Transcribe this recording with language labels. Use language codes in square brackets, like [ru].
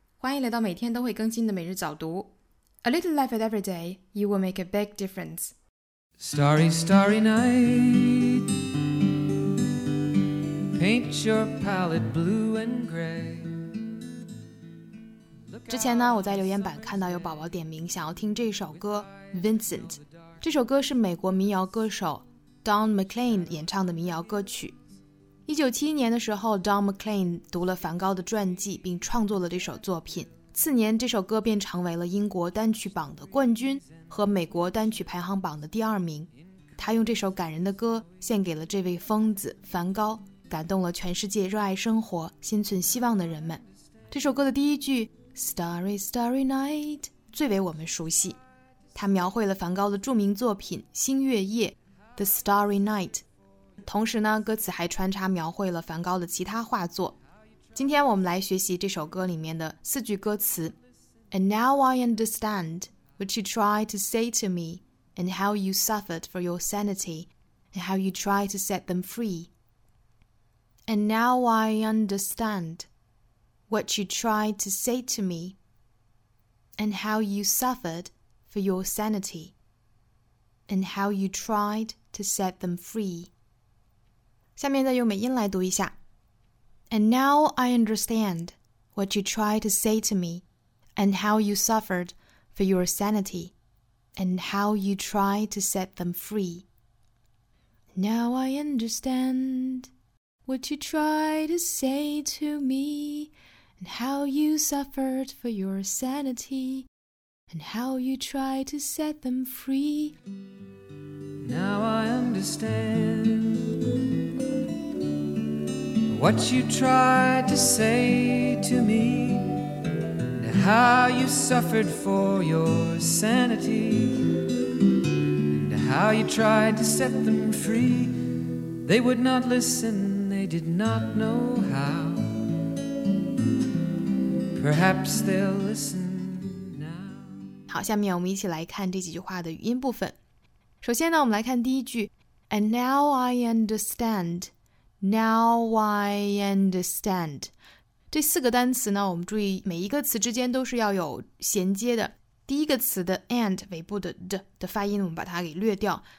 [zh] 欢迎来到每天都会更新的每日早读。 [en] A little life at every day, you will make a big difference. Starry, starry night. Paint your palette blue and gray. [zh] 之前呢，我在留言板看到有宝宝点名想要听这首歌 Vincent. 这首歌是美国民谣歌手 Don McLean 演唱的民谣歌曲。 1971年的时候 Don McLean 读了梵高的传记并创作了这首作品，次年这首歌便成为了英国单曲榜的冠军和美国单曲排行榜的第二名。他用这首感人的歌献给了这位疯子梵高，感动了全世界热爱生活心存希望的人们。这首歌的第一句 Starry Starry Night 最为我们熟悉，它描绘了梵高的著名作品星月夜 The Starry Night，同时呢，歌词还穿插描绘了梵高的其他画作。今天我们来学习这首歌里面的四句歌词。 [en] And now I understand what you try to say to me and how you suffered for your sanity and how you try to set them free. And now I understand what you try to say to me and how you suffered for your sanity and how you tried to set them free. [zh] 下面再用美音来读一下。 [en] And now I understand what you tried to say to me and how you suffered for your sanity and how you tried to set them free. Now I understand what you tried to say to me and how you suffered for your sanity and how you tried to set them free. Now I understandWhat you tried to say to me and how you suffered for your sanity and how you tried to set them free. They would not listen, they did not know how. Perhaps they'll listen now. [zh] 好，下面我们一起来看这几句话的语音部分。首先呢，我们来看第一句 And now I understandNow I understand 这四个单词呢，我们注意每一个词之间都是要有衔接的。第一个词的 and 尾部的 d 的发音我们把它给略掉。